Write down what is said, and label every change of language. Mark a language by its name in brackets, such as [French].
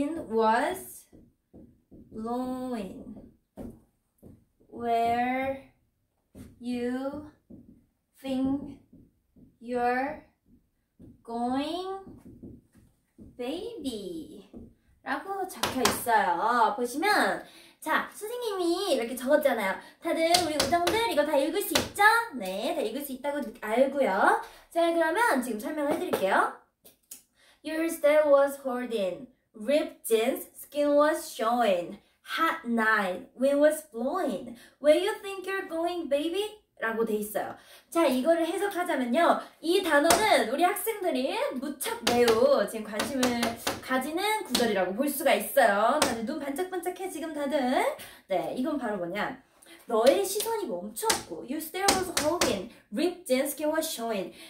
[English] was blowing where you think you're going baby [Korean] 라고 적혀 있어요. 보시면 자, 선생님이 이렇게 적었잖아요. 다들 우리 우정들 이거 다 읽을 수 있죠? 네, 다 읽을 수 있다고 알고요. 자, 그러면 지금 설명을 해드릴게요. [English] Your stare was holding, ripped jeans, skin was showing, hot night, wind was blowing, where you think you're going, baby? [Korean] 라고 돼 있어요. 자, 이거를 해석하자면요. 이 단어는 우리 학생들이 무척 매우 지금 관심을 가지는 구절이라고 볼 수가 있어요. 다들 눈 반짝반짝해, 지금 다들. 네, 이건 바로 뭐냐. 너의 시선이 멈췄고, [English] your stare was holding, ripped jeans, skin was showing.